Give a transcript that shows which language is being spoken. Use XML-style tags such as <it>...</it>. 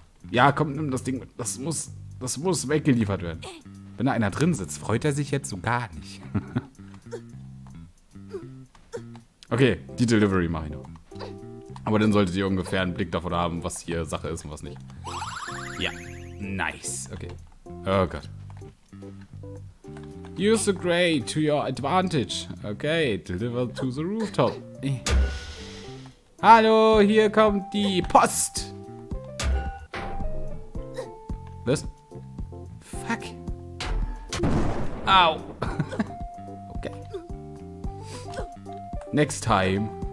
<de>Ja, komm, nimm das Ding mit. Das muss weggeliefert werden. Wenn da einer drin sitzt, freut er sich jetzt so gar nicht. Okay, die Delivery mache ich noch. Aber dann solltet ihr ungefähr einen Blick davon haben, was hier Sache ist und was nicht. Ja, nice. Okay. Oh Gott.</de> <en>Use the gray to your advantage. Okay, deliver to the rooftop.</en> <de>Hallo, hier kommt die Post. Was?</de> <en>Fuck.</en> <de>Au. Okay.</de> <en>Next time.</en>